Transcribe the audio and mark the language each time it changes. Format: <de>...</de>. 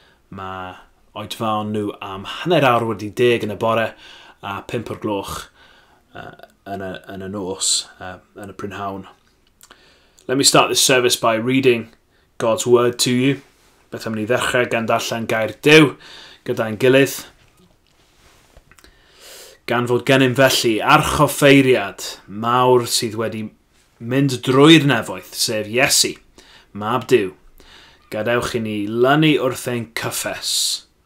<cy>Mae oedfawn nhw am hanner awr wedi deg yn y bore a pimp o'r gloch yn y nos, yn y prynhawn.</cy> <en>Let me start this service by reading God's word to you.</en> <cy>Beth am ni ddechrau gan darllen gair Dyw gyda'n gilydd. Gan fod gennym felly archoffeiriad mawr sydd wedi mynd drwy'r nefoedd, sef Iesu, mab Dyw, gadewch i ni lynu wrth ein cyffes.</cy>